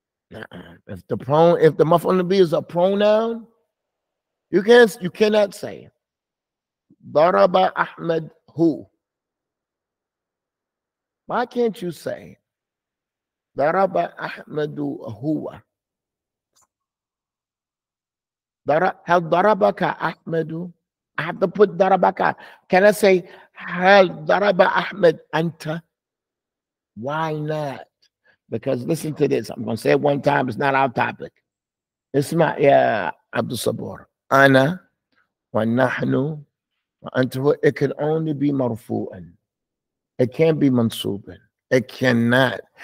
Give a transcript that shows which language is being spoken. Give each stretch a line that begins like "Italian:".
English: If the maf'ulun bihi is a pronoun, you cannot say Daraba Ahmed who. Why can't you say Daraba Ahmadu Ahuwa?
Arabic: هل ضربك أحمد؟
English: I have to put ضربك. Can I say
Arabic: هل ضرب أحمد أنت?
English: Why not? Because listen to this. I'm going to say it one time. It's not our topic.
Arabic: اسمع يا عبد الصبور. أنا ونحن وأنت.
English: It can only be مرفوعا. It can't be منصوبا. It cannot.